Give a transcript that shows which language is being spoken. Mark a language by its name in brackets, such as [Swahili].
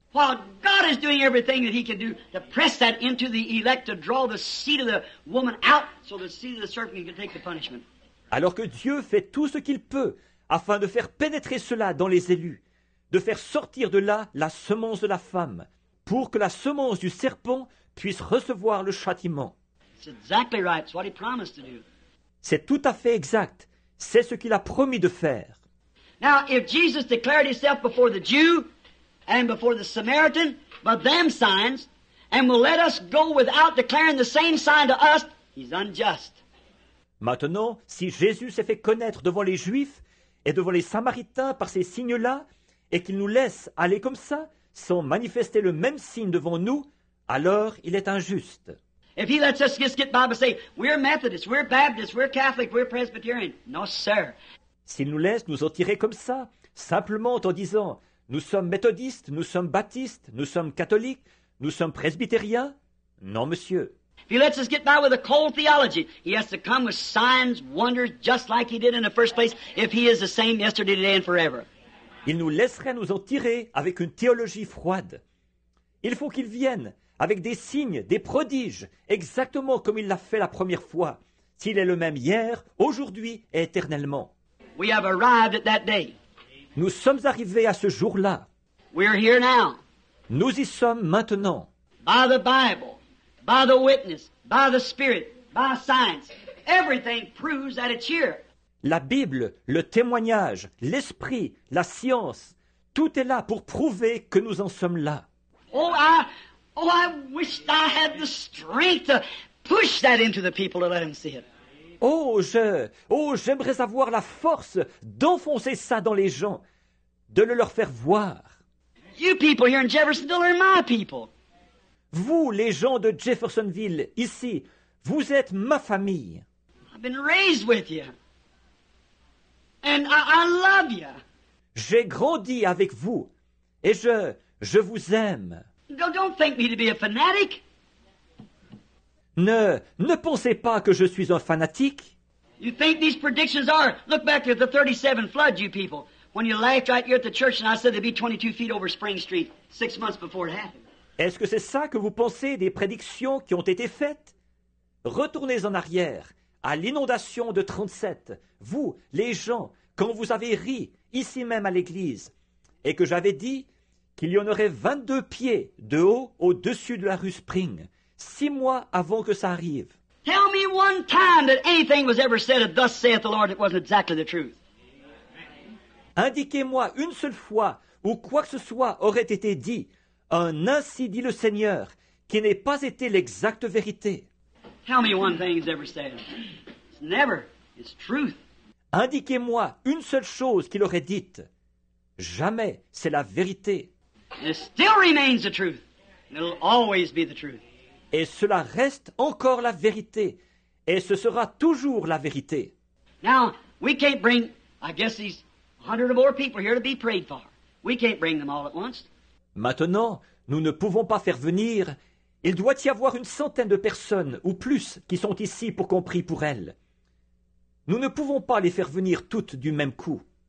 [English] While God is doing everything that he can do to press that into the elect to draw the seed of the woman out so the seed of the serpent can take the punishment. [French] Alors que Dieu fait tout ce qu'il peut afin de faire pénétrer cela dans les élus, de faire sortir de là la semence de la femme, pour que la semence du serpent puisse recevoir le châtiment. [English] It's exactly right. It's what he promised to do. [French] C'est tout à fait exact. C'est ce qu'il a promis de faire. [English] Now, if Jesus declared himself before the Jew and before the Samaritan, but them signs, and will let us go without declaring the same sign to us, he's unjust. [French] Maintenant, si Jésus s'est fait connaître devant les Juifs et devant les Samaritains par ces signes-là, et qu'il nous laisse aller comme ça, sans manifester le même signe devant nous, alors il est injuste. [English] If he lets us just get by and say, we're Methodists, we're Baptists, we're Catholic, we're Presbyterian. No, sir. [French] S'il nous laisse nous en tirer comme ça, simplement en disant, nous sommes méthodistes, nous sommes baptistes, nous sommes catholiques, nous sommes presbytériens. Non, monsieur. [English] If he lets us get by with a cold theology, he has to come with signs, wonders, just like he did in the first place, if he is the same yesterday, today and forever. [French] Il nous laisserait nous en tirer avec une théologie froide. Il faut qu'il vienne avec des signes, des prodiges, exactement comme il l'a fait la première fois, s'il est le même hier, aujourd'hui et éternellement. [English] We have arrived at that day. [French] Nous sommes arrivés à ce jour-là. [English] We are here now. [French] Nous y sommes maintenant. [English] By the Bible, by the witness, by the spirit, by science. Everything proves that it's here. [French] La Bible, le témoignage, l'esprit, la science, tout est là pour prouver que nous en sommes là. [English] Oh, I wish I had the strength to push that into the people to let them see it. [French] Oh, j'aimerais avoir la force d'enfoncer ça dans les gens, de le leur faire voir. [English] You people here in Jeffersonville are my people. [French] Vous, les gens de Jeffersonville, ici, vous êtes ma famille. [English] I've been raised with you. And I love you. [French] J'ai grandi avec vous. Et je vous aime. [English] Don't think me to be a fanatic. [French] Ne pensez pas que je suis un fanatique. [English] You think these predictions are? Look back at the 37 flood, you people. When you laughed right here at the church and I said there'd be 22 feet over Spring Street 6 months before it happened. [French] Est-ce que c'est ça que vous pensez des prédictions qui ont été faites? Retournez en arrière, à l'inondation de 37. Vous, les gens, quand vous avez ri, ici même à l'église, et que j'avais dit qu'il y en aurait 22 pieds de haut au-dessus de la rue Spring, 6 mois avant que ça arrive. [English] Tell me one time that anything was ever said of thus saith the Lord that wasn't exactly the truth. [French] Indiquez-moi une seule fois où quoi que ce soit aurait été dit, un ainsi dit le Seigneur, qui n'ait pas été l'exacte vérité. [English] Tell me one thing he's ever said. It's never. It's truth. [French] Indiquez-moi une seule chose qu'il aurait dite. Jamais, c'est la vérité. [English] It still remains the truth. It'll always be the truth. [French] Et cela reste encore la vérité. Et ce sera toujours la vérité. [English] Now, we can't bring, I guess, these 100 or more people here to be prayed for. We can't bring them all at once. [French] Maintenant, nous ne pouvons pas faire venir. Il doit y avoir une centaine de personnes ou plus qui sont ici pour qu'on prie pour elles. Nous ne pouvons pas les faire venir toutes du même coup.